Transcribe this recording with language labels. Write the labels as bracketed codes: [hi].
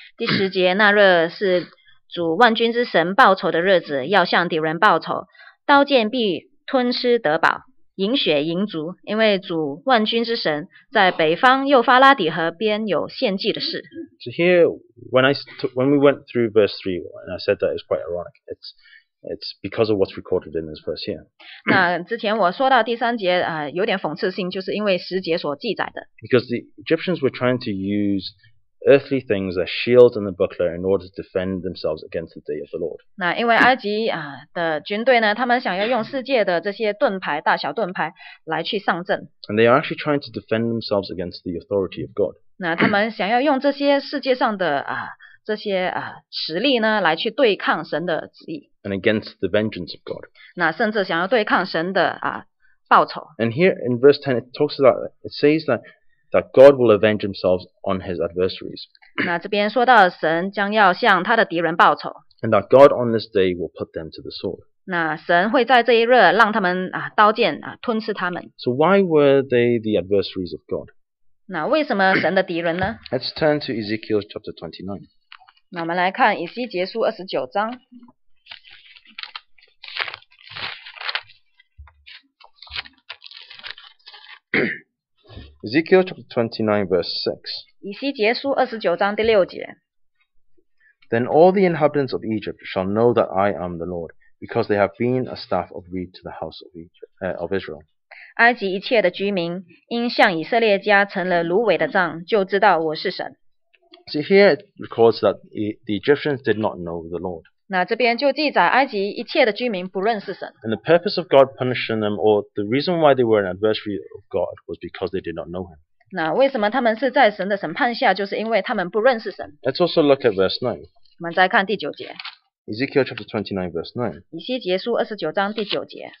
[zh] 第十节，那日是主万军之神报仇的日子，要向敌人报仇，刀剑必吞吃得饱。饮血饮足，因为主万军之神在北方幼发拉底河边有献祭的事。 [en] So here, when we went through verse 3, and I said that it's quite ironic, it's because of what's recorded in this verse here. [zh] 那之前我说到第三节有点讽刺性，就是因为十节所记载的。 [en] Because the Egyptians were trying to use earthly things, their shields and the buckler, in order to defend themselves against the day of the Lord. [zh] 那因为埃及的军队呢，他们想要用世界的这些盾牌，大小盾牌来去上阵。 [en] And they are actually trying to defend themselves against the authority of God. [zh] 那他们想要用这些世界上的这些实力呢，来去对抗神的旨意。 [en] And against the vengeance of God. [zh] 那甚至想要对抗神的报酬。 [en] And here in verse 10, it talks about, it says that God will avenge himself on his adversaries. [zh] 那这边说到神将要向他的敌人报仇。 [en] And that God on this day will put them to the sword. [zh] 那神会在这一日让他们刀剑吞吃他们。 [en] So why were they the adversaries of God? [zh] 那为什么神的敌人呢？ [en] Let's turn to Ezekiel chapter 29. [zh] 那我们来看以西结书二十九章。 [en] Ezekiel chapter 29, verse 6. [zh] 以西结书二十九章第六节。 [en] Then all the inhabitants of Egypt shall know that I am the Lord, because they have been a staff of reed to the house of Israel. [zh] 埃及一切的居民因向以色列家成了芦苇的杖，就知道我是神。 [en] See, here it records that the Egyptians did not know the Lord. [zh] 那这边就记载埃及一切的居民不认识神。 [en] And the purpose of God punishing them, or the reason why they were an adversary of God, was because they did not know him. [zh] 那为什么他们是在神的审判下，就是因为他们不认识神。 [en] Let's also look at verse 9. [zh] 我们再看第九节。 [en] Ezekiel chapter 29, verse 9. [zh] 以西结书二十九章第九节。